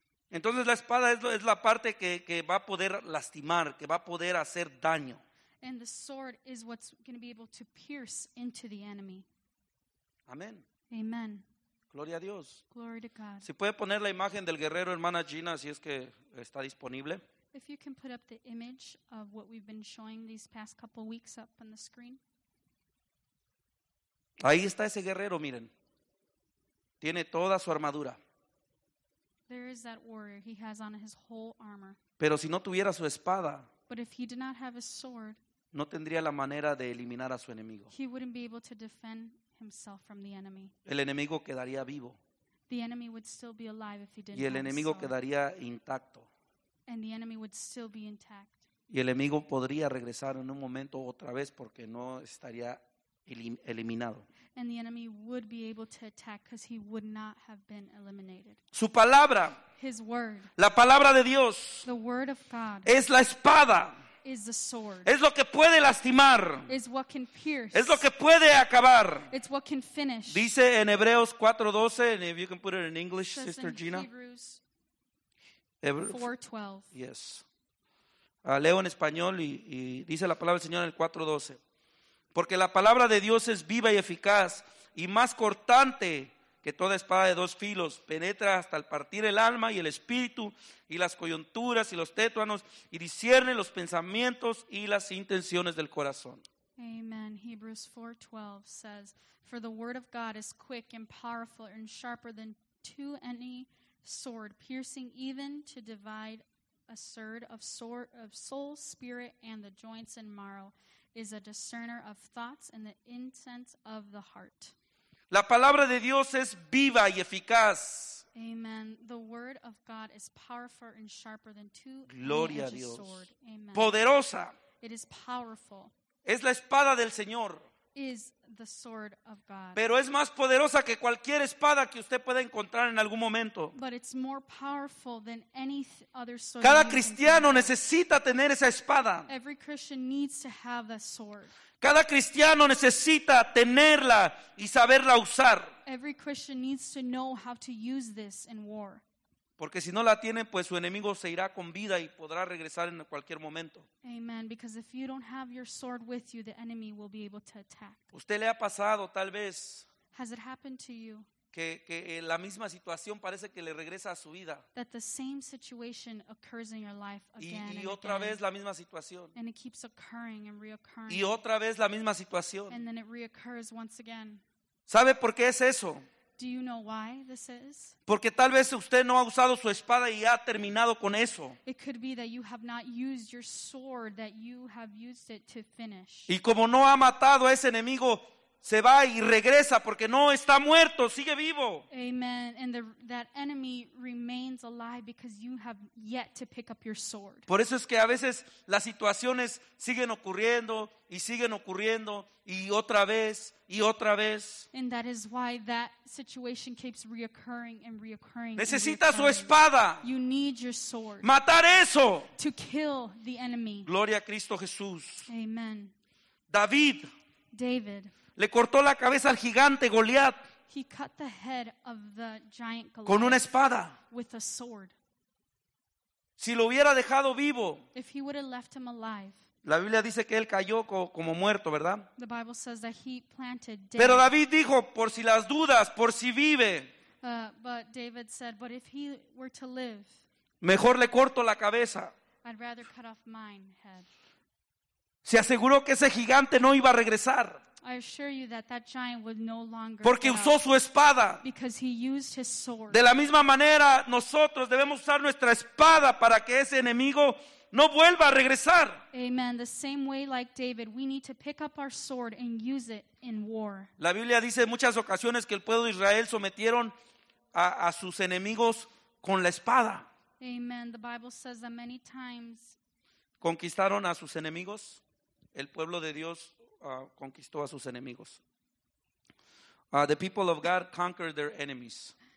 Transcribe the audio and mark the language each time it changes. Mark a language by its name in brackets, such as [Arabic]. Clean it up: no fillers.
[Spanish] Entonces la espada es la parte que va a poder lastimar, que va a poder hacer daño. [English] And the sword is what's going to be able to pierce into the enemy. [Spanish] Amén. [English] Amen. [Spanish] Gloria a Dios. [English] Glory to God. [Spanish] Si puede poner la imagen del guerrero, hermana Gina, si es que está disponible. [English] If you can put up the image of what we've been showing these past couple weeks up on the screen. [Spanish] Ahí está ese guerrero, miren. Tiene toda su armadura. [English] There is that warrior. He has on his whole armor. [Spanish] Pero si no tuviera su espada, [English] but if he did not have his sword, [Spanish] no tendría la manera de eliminar a su enemigo. [English] He wouldn't be able to defend himself from the enemy. [Spanish] El enemigo quedaría vivo. [English] The enemy would still be alive if he didn't. [Spanish] Y el enemigo [English] have his [Spanish] quedaría [English] sword. [Spanish] Intacto. [English] And the enemy would still be intact. [Spanish] Y el enemigo podría regresar en un momento otra vez porque no estaría eliminado. [English] And the enemy would be able to attack because he would not have been eliminated. [Spanish] Su palabra, [English] his word, [Spanish] la palabra de Dios, [English] the word of God, [Spanish] es la espada, [English] is the sword, [Spanish] es lo que puede lastimar, [English] is what can pierce, [Spanish] es lo que puede acabar, [English] it's what can finish. [Spanish] Dice en Hebreos 4:12, [English] and if you can put it in English, Sister Gina. Hebrews 4:12. Yes. [Spanish] Leo en español y dice la palabra del Señor en el 4:12. Porque la palabra de Dios es viva y eficaz, y más cortante que toda espada de dos filos. Penetra hasta el partir el alma y el espíritu, y las coyunturas y los tétanos, y discierne los pensamientos y las intenciones del corazón. Amen. [English] Hebrews 4:12 says, for the word of God is quick and powerful and sharper than two any sword, piercing even to divide asunder of soul, spirit, and the joints and marrow. Is a discerner of thoughts and the intents of the heart. [Spanish] La palabra de Dios es viva y eficaz. Amen. [English] The word of God is powerful and sharper than two edged sword. [Spanish] Gloria a Dios. Amen. Poderosa. [English] It is powerful. [Spanish] Es la espada del Señor. [English] Is the sword of God. [Spanish] Pero es más poderosa que cualquier espada que usted pueda encontrar en algún momento. [English] But it's more powerful than any other sword. [Spanish] Cada cristiano necesita tener esa espada. [English] Every Christian needs to have that sword. [Spanish] Cada cristiano necesita tenerla y saberla usar. [English] Every Christian needs to know how to use this in war. [Spanish] Porque si no la tiene, pues su enemigo se irá con vida y podrá regresar en cualquier momento. [English] Amen, because if you don't have your sword with you, the enemy will be able to attack. [Spanish] ¿Usted le ha pasado tal vez? [English] Has it happened to you? [Spanish] Que la misma situación parece que le regresa a su vida. [English] That the same situation occurs in your life again and again. [Spanish] Y otra vez la misma situación. [English] And it keeps occurring and reoccurring. [Spanish] Y otra vez la misma situación. [English] And then it reoccurs once again. [Spanish] ¿Sabe por qué es eso? [English] Do you know why this is? [Spanish] Porque tal vez usted no ha usado su espada y ha terminado con eso. [English] It could be that you have not used your sword, that you have used it to finish. [Spanish] Y como no ha matado a ese enemigo, se va y regresa porque no está muerto, sigue vivo. Amen. [English] And that enemy remains alive because you have yet to pick up your sword. [Spanish] Por eso es que a veces las situaciones siguen ocurriendo y siguen ocurriendo y otra vez y otra vez. [English] And that is why that situation keeps reoccurring and reoccurring. [Spanish] Necesita su espada. [English] You need your sword. [Spanish] Matar eso. [English] To kill the enemy. [Spanish] Gloria a Cristo Jesús. Amen. David. David. Le cortó la cabeza al gigante Goliat. [English] He cut the head of the giant Goliath. [Spanish] Con una espada. [English] With a sword. [Spanish] Si lo hubiera dejado vivo. [English] If he would have left him alive. [Spanish] La Biblia dice que él cayó como muerto, ¿verdad? [English] The Bible says that he planted dead. [Spanish] Pero David dijo, por si las dudas, por si vive. [English] But David said, but if he were to live. [Spanish] Mejor le corto la cabeza. [English] I'd rather cut off mine head. [Spanish] Se aseguró que ese gigante no iba a regresar. [English] I assure you that that giant would no longer. [Spanish] Porque usó su espada. [English] Because he used his sword. [Spanish] De la misma manera, nosotros debemos usar nuestra espada para que ese enemigo no vuelva a regresar. Amen. [English] The same way like David, we need to pick up our sword and use it in war. [Spanish] La Biblia dice en muchas ocasiones que el pueblo de Israel sometieron a sus enemigos con la espada. [English] Amen. The Bible says that many times [Spanish] conquistaron a sus enemigos. El pueblo de Dios conquistó a sus enemigos. [English] The people of God conquered their enemies.